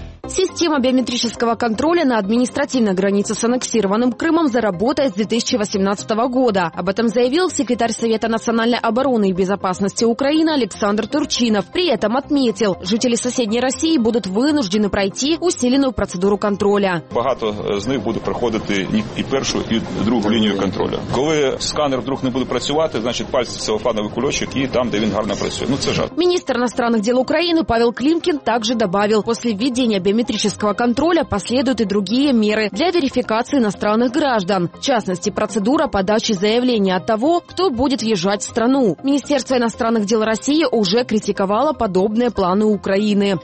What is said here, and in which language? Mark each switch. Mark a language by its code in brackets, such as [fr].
[ru] Система биометрического контроля на административной границе с аннексированным Крымом заработает с 2018 года. Об этом заявил секретарь Совета национальной обороны и безопасности Украины Александр Турчинов. При этом отметил, жители соседней России будут вынуждены пройти усиленную процедуру контроля. [uk] Багато з них будуть проходити і першу, і другу лінію контролю. Коли сканер вдруг не буде працювати, значить пальці целлофановий кульочок і там, де він гарно працює. Ну це жарт. [ru] Міністр иностранных дел Украины Павел Климкин также добавил, после введения биометрического контроля последуют и другие меры для верификации иностранных граждан. В частности, процедура подачи заявления от того, кто будет въезжать в страну. Министерство иностранных дел России уже критиковало подобные планы Украины.